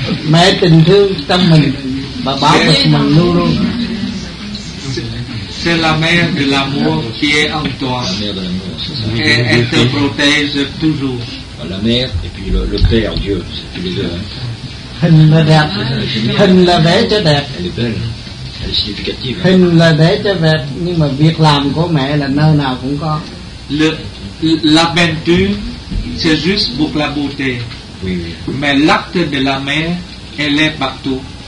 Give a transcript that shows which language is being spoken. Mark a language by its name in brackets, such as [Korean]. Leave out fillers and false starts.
[Vietnamese] Mẹ tình thương tâm mình và bảo vệ mình luôn luôn. [French] C'est la mère de l'amour qui est en toi. Elle te protège toujours. La mère et puis le père, Dieu. [Vietnamese] Hình là đẹp. Hình là vẽ cho đẹp. [French] Elle est belle. Elle est significative. [Vietnamese] Hình là vẽ cho đẹp. Nhưng mà việc làm của mẹ là nơi nào cũng có. [French] La peinture, c'est juste pour la beauté. Oui, oui. Mais l'acte de la mère, elle est partout.